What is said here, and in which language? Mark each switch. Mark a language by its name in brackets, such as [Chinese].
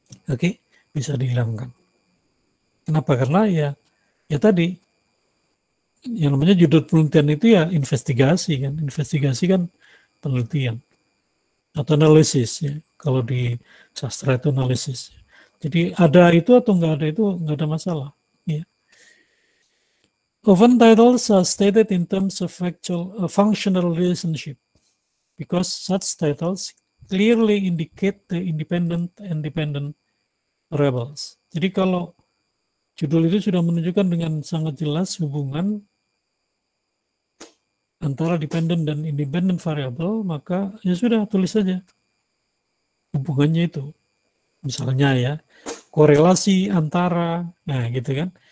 [Indonesian] Oke, bisa dihilangkan. Kenapa? Karena ya, ya tadi yang namanya judul penelitian itu ya investigasi kan, investigasi kan penelitian atau analisis ya. Kalau di sastra itu analisis. Jadi ada itu atau enggak ada itu enggak ada masalah. Ya. [English] Often titles are stated in terms of actual functional relationship because such titles clearly indicate the independent and dependent variables. [Indonesian] Jadi kalau judul itu sudah menunjukkan dengan sangat jelas hubungan antara dependent dan independent variable, maka ya sudah tulis saja hubungannya itu. Misalnya ya, korelasi antara, nah gitu kan.